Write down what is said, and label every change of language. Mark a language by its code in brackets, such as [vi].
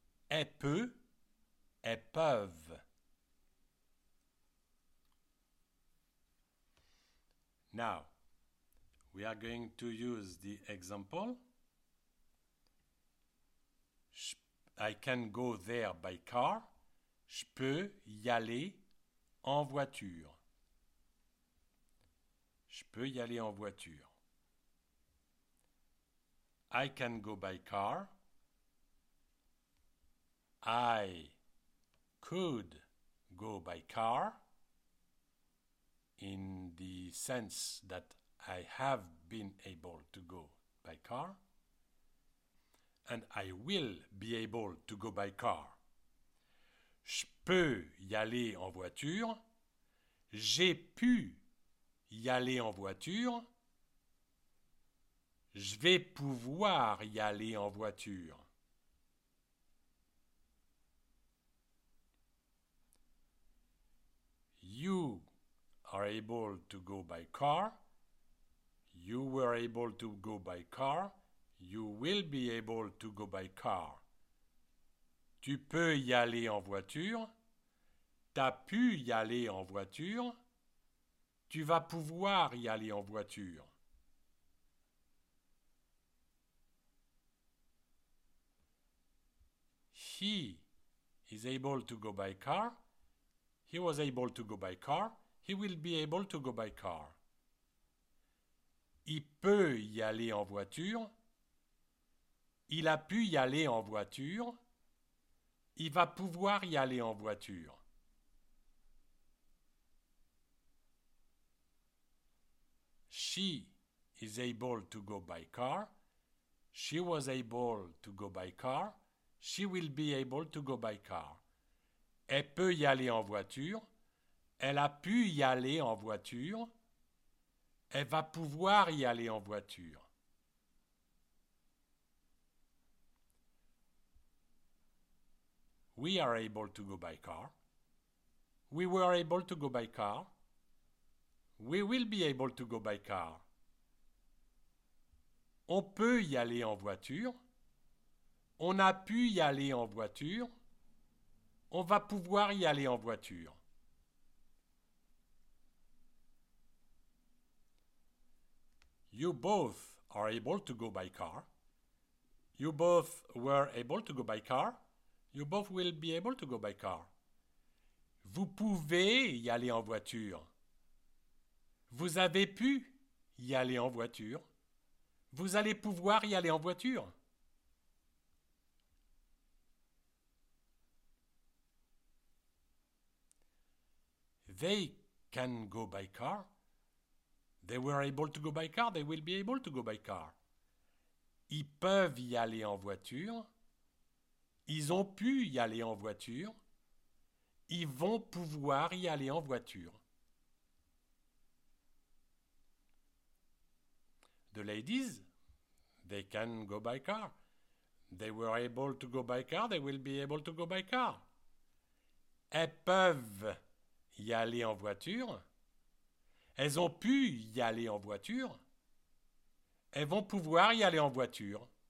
[fr] Elle peut, elles peuvent. [en] Now, we are going to use the example. I can go there by car. [fr] Je peux y aller en voiture. Je peux y aller en voiture. [en] I can go by car. I could go by car in the sense that I have been able to go by car. And I will be able to go by car. [fr] Je peux y aller en voiture. J'ai pu y aller en voiture. Je vais pouvoir y aller en voiture. [en] You are able to go by car. You were able to go by car. You will be able to go by car. [fr] Tu peux y aller en voiture. T'as pu y aller en voiture. Tu vas pouvoir y aller en voiture. [en] He is able to go by car. He was able to go by car. He will be able to go by car. [fr] Il peut y aller en voiture. Il a pu y aller en voiture. Il va pouvoir y aller en voiture. [en] She is able to go by car. She was able to go by car. She will be able to go by car. [fr] Elle peut y aller en voiture. Elle a pu y aller en voiture. Elle va pouvoir y aller en voiture. [en] We are able to go by car. We were able to go by car. We will be able to go by car. [fr] On peut y aller en voiture. On a pu y aller en voiture. On va pouvoir y aller en voiture. [en] You both are able to go by car. You both were able to go by car. You both will be able to go by car. [fr] Vous pouvez y aller en voiture. Vous avez pu y aller en voiture. Vous allez pouvoir y aller en voiture. [en] They can go by car. They were able to go by car. They will be able to go by car. [fr] Ils peuvent y aller en voiture. Ils ont pu y aller en voiture. Ils vont pouvoir y aller en voiture. [en] The ladies, they can go by car. They were able to go by car. They will be able to go by car. [fr] Elles peuvent y aller en voiture. Elles ont pu y aller en voiture. Elles vont pouvoir y aller en voiture.